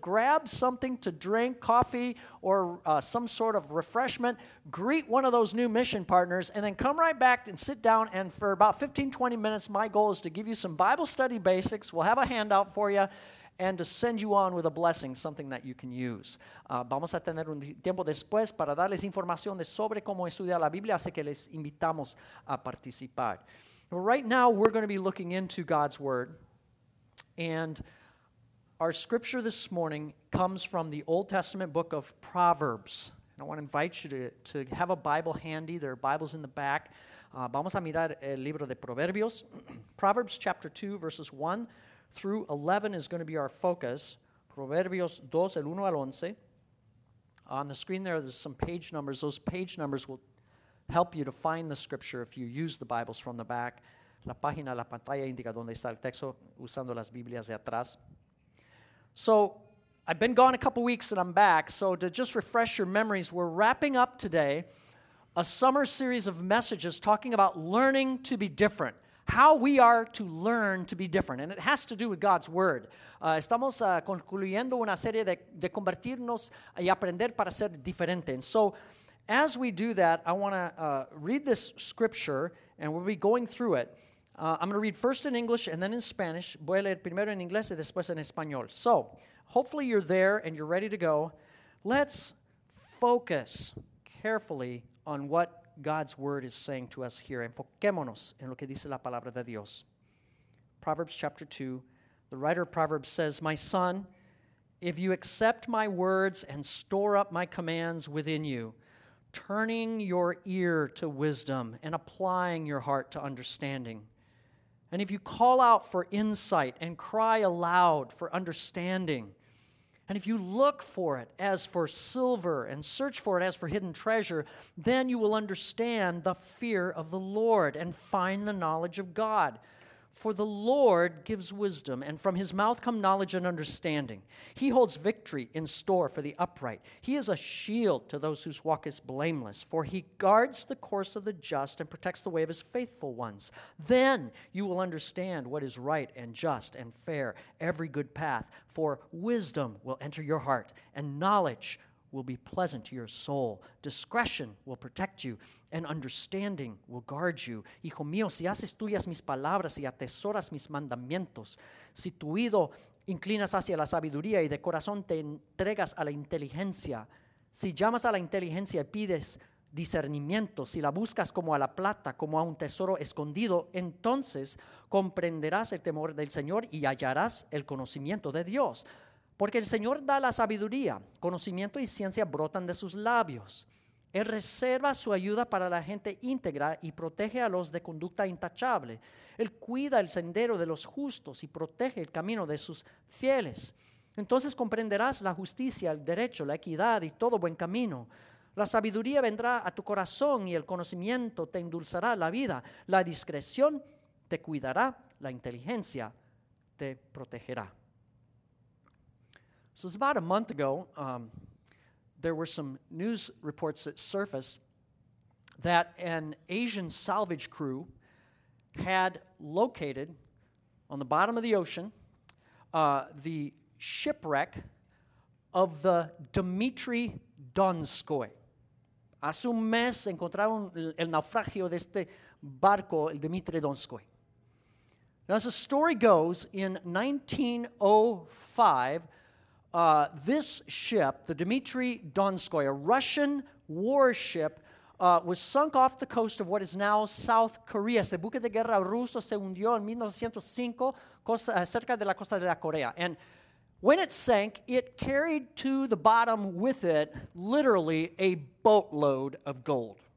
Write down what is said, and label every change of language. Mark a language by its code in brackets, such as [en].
[en] Grab something to drink, coffee, or some sort of refreshment. Greet one of those new mission partners, and then come right back and sit down, and for about 15, 20 minutes, my goal is to give you some Bible study basics. We'll have a handout for you, and to send you on with a blessing, something that you can use. [es] Vamos a tener un tiempo después para darles información de sobre cómo estudiar la Biblia, así que les invitamos a participar. [en] Right now, we're going to be looking into God's Word, and our scripture this morning comes from the Old Testament book of Proverbs. And I want to invite you to have a Bible handy. There are Bibles in the back. [es] Vamos a mirar el libro de Proverbios. [en] Proverbs chapter 2, verses 1 through 11 is going to be our focus. [es] Proverbios 2, el 1 al 11. [en] On the screen there's some page numbers. Those page numbers will help you to find the scripture if you use the Bibles from the back. [es] La página, la pantalla indica donde está el texto usando las Biblias de atrás. [en] So I've been gone a couple weeks and I'm back. So to just refresh your memories, we're wrapping up today a summer series of messages talking about learning to be different. How we are to learn to be different. And it has to do with God's Word. [es] Estamos concluyendo una serie de convertirnos y aprender para ser diferente. [en] And so, as we do that, I want to read this scripture, and we'll be going through it. I'm going to read first in English and then in Spanish. [es] Voy a leer primero en inglés y después en español. [en] So, hopefully you're there and you're ready to go. Let's focus carefully on what God's Word is saying to us here. [es] Enfoquémonos en lo que dice la palabra de Dios. [en] Proverbs chapter 2, the writer of Proverbs says, "My son, if you accept my words and store up my commands within you, turning your ear to wisdom and applying your heart to understanding, and if you call out for insight and cry aloud for understanding, and if you look for it as for silver and search for it as for hidden treasure, then you will understand the fear of the Lord and find the knowledge of God. For the Lord gives wisdom, and from his mouth come knowledge and understanding. He holds victory in store for the upright. He is a shield to those whose walk is blameless, for he guards the course of the just and protects the way of his faithful ones. Then you will understand what is right and just and fair, every good path, for wisdom will enter your heart, and knowledge will be pleasant to your soul. Discretion will protect you, and understanding will guard you. [es] Hijo mío, si haces tuyas mis palabras y atesoras mis mandamientos, si tu oído inclinas hacia la sabiduría y de corazón te entregas a la inteligencia, si llamas a la inteligencia y pides discernimiento, si la buscas como a la plata, como a un tesoro escondido, entonces comprenderás el temor del Señor y hallarás el conocimiento de Dios. Porque el Señor da la sabiduría, conocimiento y ciencia brotan de sus labios. Él reserva su ayuda para la gente íntegra y protege a los de conducta intachable. Él cuida el sendero de los justos y protege el camino de sus fieles. Entonces comprenderás la justicia, el derecho, la equidad y todo buen camino. La sabiduría vendrá a tu corazón y el conocimiento te endulzará la vida. La discreción te cuidará, la inteligencia te protegerá. [en] So it's about a month ago, there were some news reports that surfaced that an Asian salvage crew had located on the bottom of the ocean the shipwreck of the Dmitry Donskoy. [es] Hace un mes encontraron el naufragio de este barco, el Dmitry Donskoy. [en] Now, as the story goes, in 1905, this ship, the Dmitry Donskoy, a Russian warship, was sunk off the coast of what is now South Korea. [es] Este buque de guerra ruso se hundió en 1905 cerca de la costa de la Corea. [en] And when it sank, it carried to the bottom with it literally a boatload of gold.